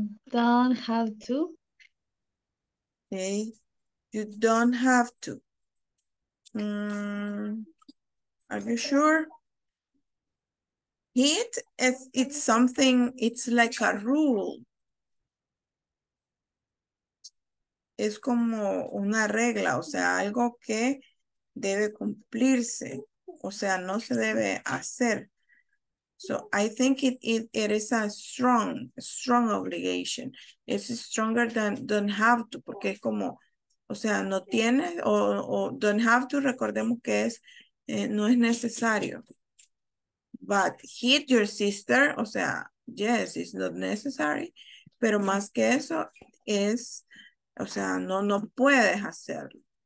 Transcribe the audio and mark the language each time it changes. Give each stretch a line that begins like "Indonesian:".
English: Don't have to. Okay, you don't have to. Are you sure? Hit is, it's something, it's like a rule.
Spanish: Es como una regla, o sea, algo que debe cumplirse, o sea, no se debe hacer.
English: So I think it is a strong obligation. It's stronger than don't have to,
Spanish: porque es como, o sea, no tiene, o
English: don't have to,
Spanish: recordemos que es, no es necesario.
English: But hit your sister,
Spanish: o sea,
English: yes, it's not necessary,
Spanish: pero más que eso es, o sea, no puedes hacerlo.